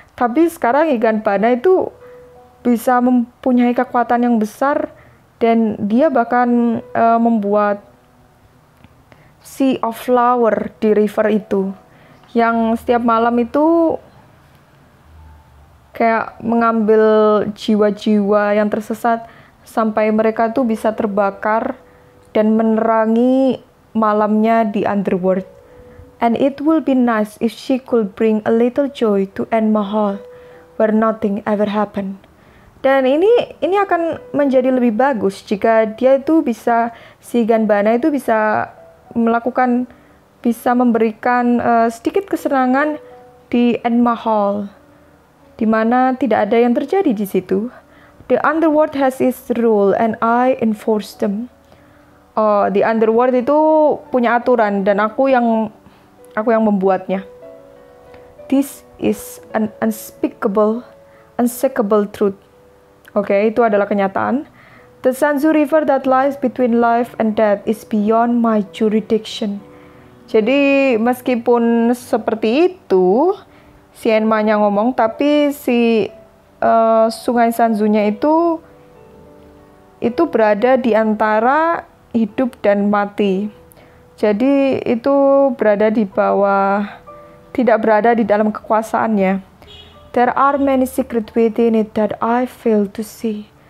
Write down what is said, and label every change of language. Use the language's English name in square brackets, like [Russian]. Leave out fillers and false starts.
[Indonesian] Tapi sekarang Higanbana itu bisa mempunyai kekuatan yang besar dan dia bahkan membuat Sea of Flower di river itu. Yang setiap malam itu kayak mengambil jiwa-jiwa yang tersesat sampai mereka tuh bisa terbakar dan menerangi malamnya di underworld. [English] And it will be nice if she could bring a little joy to Enma Hall where nothing ever happened. [Indonesian] Dan ini akan menjadi lebih bagus jika dia itu bisa, si Higanbana itu bisa melakukan, bisa memberikan sedikit kesenangan di Enma Hall, di mana tidak ada yang terjadi di situ. [English] The underworld has its rule and I enforce them. [Indonesian] Oh, the underworld itu punya aturan dan aku yang membuatnya. [English] This is an unspeakable, unshakable truth. [Indonesian] Okay, itu adalah kenyataan. [English] The Sanzu River that lies between life and death is beyond my jurisdiction. [Indonesian] Jadi meskipun seperti itu, si Enma-nya ngomong, tapi si sungai Sanzunya itu berada di antara hidup dan mati. Jadi itu berada di bawah, tidak berada di dalam kekuasaannya. [English] There are many secrets within it that I fail to see.